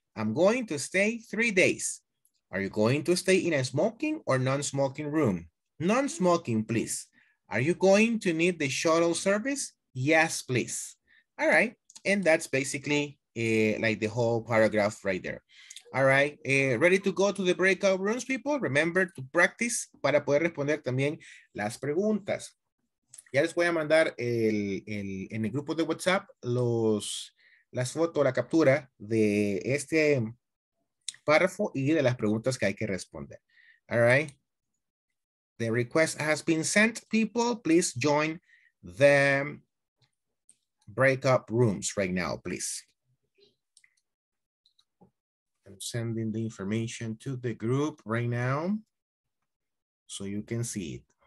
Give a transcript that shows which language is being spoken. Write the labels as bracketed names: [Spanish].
[English] I'm going to stay 3 days. Are you going to stay in a smoking or non-smoking room? Non-smoking, please. Are you going to need the shuttle service? Yes, please. All right. And that's basically like the whole paragraph right there. All right. Ready to go to the breakout rooms, people? Remember to practice [Spanish] para poder responder también las preguntas. Ya les voy a mandar en el grupo de WhatsApp las fotos, la captura de este párrafo y de las preguntas que hay que responder. [English] All right. The request has been sent, people. Please join the breakout rooms right now, please. I'm sending the information to the group right now so you can see it.